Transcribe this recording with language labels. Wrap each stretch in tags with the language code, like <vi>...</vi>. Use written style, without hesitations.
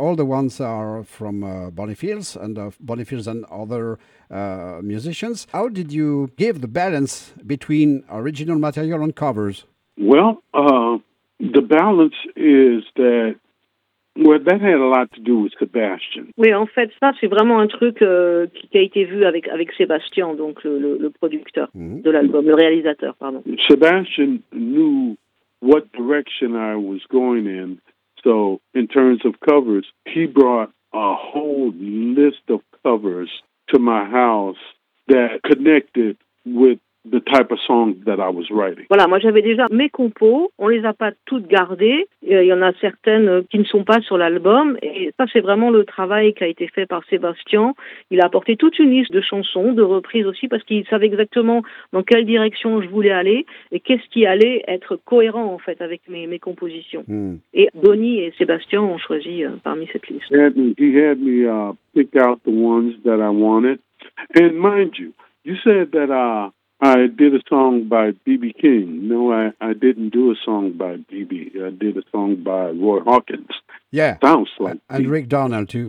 <en>All the ones are from Bonnie Fields and other musicians. How did you give the balance between original material and covers? Well, the balance is that, well, that had a lot to do with Sébastien.</en> <fr>Oui, en fait, ça, c'est vraiment un truc qui a été vu avec Sébastien, donc le producteur de l'album, le réalisateur, pardon.</fr> <en>Sébastien knew what direction I was going in, so in terms of covers, he brought a whole list of covers to my house that connected with the type of song that I was writing.</en> <fr>Voilà, moi j'avais déjà mes compos, on les a pas toutes gardées, il y en a certaines qui ne sont pas sur l'album, et ça c'est vraiment le travail qui a été fait par Sébastien. Il a apporté toute une liste de chansons, de reprises aussi, parce qu'il savait exactement dans quelle direction je voulais aller, et qu'est-ce qui allait être cohérent en fait avec mes compositions. Mm. Et Bonnie et Sébastien ont choisi parmi cette liste.</fr> <en>He had me pick out the ones that I wanted. And mind you, you said that I did a song by B.B. King. No, I didn't do a song by B.B. I did a song by Roy Hawkins. Yeah. Sounds like. And Rick Darnell, too.</en>